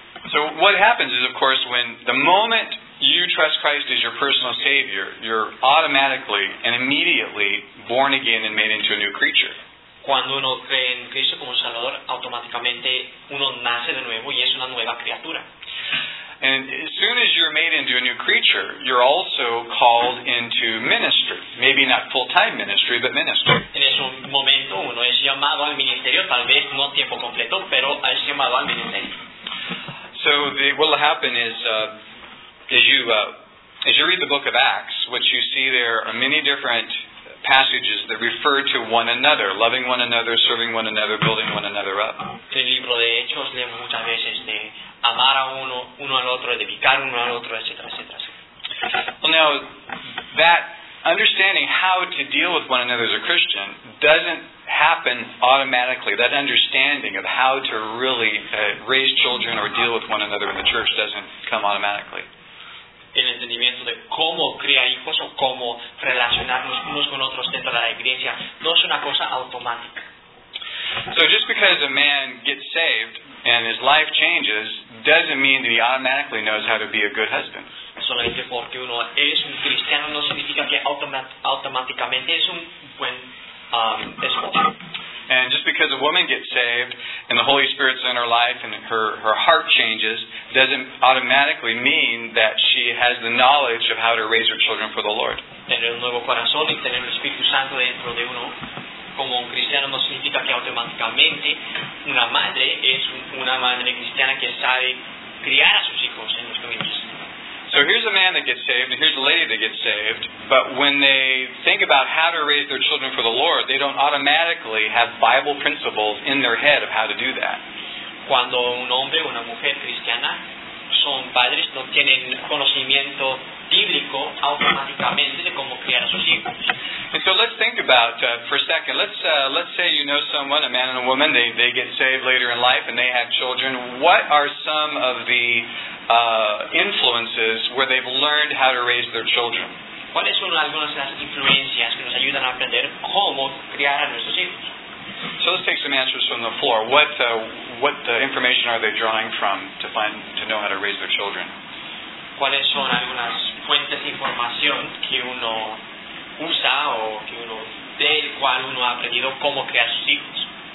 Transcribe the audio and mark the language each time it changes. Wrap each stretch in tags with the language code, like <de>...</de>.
<en>So what happens is, of course, when the moment you trust Christ as your personal Savior, you're automatically and immediately born again and made into a new creature.</en> <es>Cuando uno cree en Cristo como Salvador, automáticamente uno nace de nuevo y es una nueva criatura.</es> <en>And as soon as you're made into a new creature, you're also called into ministry. Maybe not full-time ministry, but ministry.</en> <es>En ese momento uno es llamado al ministerio, tal vez no tiempo completo, pero es llamado al ministerio.</es> <en>So what will happen is, as you read the book of Acts, what you see there are many different passages that refer to one another, loving one another, serving one another, building one another up.</en> <es>En el libro de Hechos leemos muchas veces de amar a uno al otro, edificar uno al otro, etcétera.</es> <en>Well, now, that understanding how to deal with one another as a Christian doesn't happen automatically. That understanding of how to really raise children or deal with one another in the church doesn't come automatically.</en> <es>El entendimiento entendimiento de cómo criar hijos o cómo relacionarnos unos con otros dentro de la iglesia no es una cosa automática.</es> <en>So just because a man gets saved and his life changes doesn't mean that he automatically knows how to be a good husband.</en> <es>Solamente porque uno es un cristiano no significa que automáticamente es un buen esposo.</es> <en>And just because a woman gets saved and the Holy Spirit's in her life and her heart changes doesn't automatically mean that she has the knowledge of how to raise her children for the Lord.</en> <es>Tener un nuevo corazón y tener el Espíritu Santo dentro de uno como un cristiano no significa que automáticamente una madre es una madre cristiana que sabe criar a sus hijos en los caminos.</es> <en>So here's a man that gets saved, and here's a lady that gets saved, but when they think about how to raise their children for the Lord, they don't automatically have Bible principles in their head of how to do that.</en> <es>Cuando un hombre o una mujer cristiana son padres, no tienen conocimiento bíblico automáticamente de cómo criar a sus hijos.</es> <en>And so let's think about, for a second, let's say you know someone, a man and a woman, they get saved later in life and they have children. What are some of the influences where they've learned how to raise their children?</en> <es>¿Cuáles son algunas de las influencias que nos ayudan a aprender cómo criar a nuestros hijos?</es> <en>So let's take some answers from the floor. What information are they drawing from to know how to raise their children?</en> <es>¿Cuáles son algunas fuentes de información que uno usa o que uno del cual uno ha aprendido cómo crear sus hijos?</es>